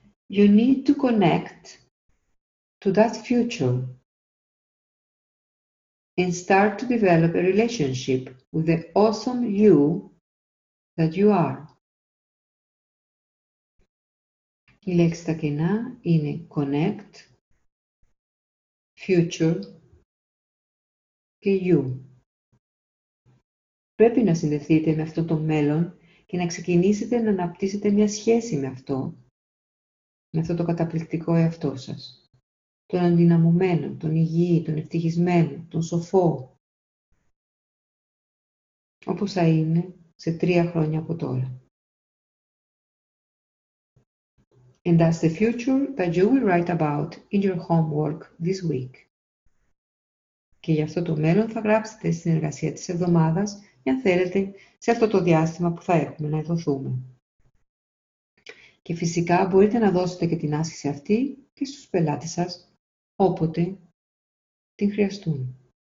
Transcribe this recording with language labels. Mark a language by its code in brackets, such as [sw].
[en] You need to connect to that future and start to develop a relationship with the awesome you that you are. [el] Η λέξη τα κενά είναι connect, future και you. Πρέπει να συνδεθείτε με αυτό το μέλλον και να ξεκινήσετε να αναπτύσσετε μια σχέση με αυτό, με αυτό το καταπληκτικό εαυτό σας. Τον ενδυναμωμένο, τον υγιή, τον ευτυχισμένο, τον σοφό. Όπως θα είναι σε 3 χρόνια από τώρα. [en] And that's the future that you will write about in your homework this week. [el] Και για αυτό το μέλλον θα γράψετε στην εργασία της εβδομάδας, για αν θέλετε, σε αυτό το διάστημα που θα έχουμε να ειδωθούμε. Και φυσικά μπορείτε να δώσετε και την άσκηση αυτή και στους πελάτες σας, όποτε την χρειαστούν.